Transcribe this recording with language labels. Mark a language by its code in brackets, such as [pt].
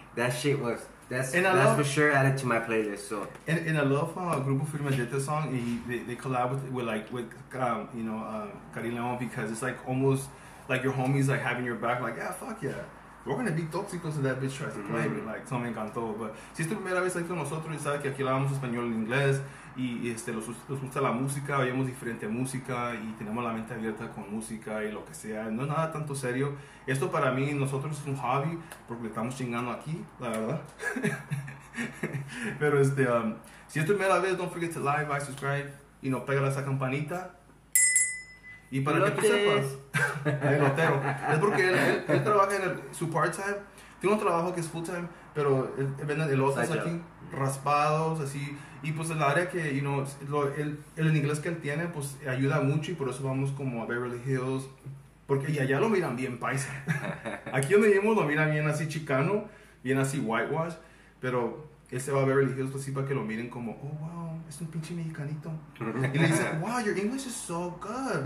[en] That shit was... That's for sure added to my playlist. So, and I love how Groupo Firme did this song. And they collab Carin León, because it's like almost like your homies like having your back. Like, yeah, fuck yeah, we're gonna be toxicos if that bitch tries to play me. [es] Like, so me encantó. But si es tu primera vez con nosotros y sabes que aquí hablamos español e inglés y nos gusta la música, oímos diferente música y tenemos la mente abierta con música y lo que sea, no es nada tanto serio. Esto para mí, nosotros es un hobby porque estamos chingando aquí, la verdad. Pero si es tu primera vez, [en] don't forget to like, buy, subscribe [es] y no pega esa campanita. Y para que tú sepas, el notero, es porque él trabaja en su part-time. Tiene un trabajo que es full-time, pero venden elotes aquí, job. Raspados, así. Y pues el área que, you know, el inglés que él tiene, pues ayuda mucho. Y por eso vamos como a Beverly Hills. Porque y allá lo miran bien, paisa. Aquí donde vivimos lo miran bien así chicano, bien así whitewash. Pero él se va a Beverly Hills, pues sí, para que lo miren como, oh, wow, es un pinche mexicanito. Y le dice, [en] wow, your English is so good.